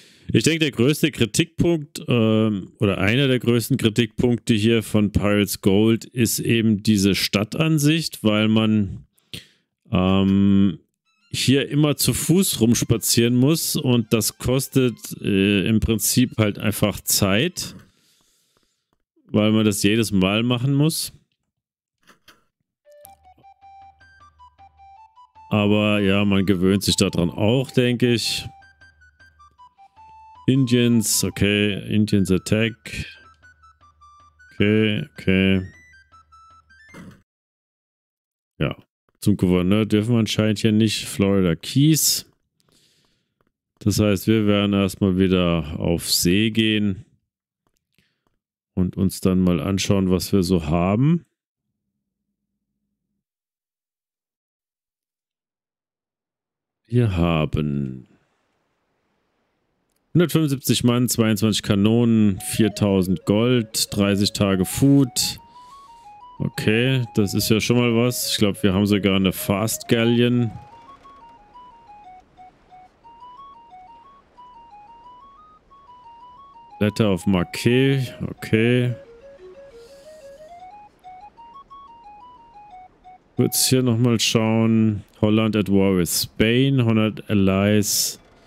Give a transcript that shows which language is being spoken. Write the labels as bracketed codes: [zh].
[de] Ich denke, der größte Kritikpunkt oder einer der größten Kritikpunkte hier von Pirates Gold ist eben diese Stadtansicht, weil man hier immer zu Fuß rumspazieren muss und das kostet im Prinzip halt einfach Zeit, weil man das jedes Mal machen muss. Aber ja, man gewöhnt sich daran auch, denke ich. [en] Indians, okay, Indians Attack. Okay. [de] Ja, zum Gouverneur dürfen wir anscheinend hier nicht. Florida Keys. Das heißt, wir werden erstmal wieder auf See gehen und uns dann mal anschauen, was wir so haben. Wir haben 175 Mann, 22 Kanonen, 4000 Gold, 30 Tage Food. Okay, das ist ja schon mal was. Ich glaube, wir haben sogar eine Fast Galleon. [en] Letter of Marque, okay. [de] Kurz hier nochmal schauen. [en] Holland at war with Spain, 100 Allies.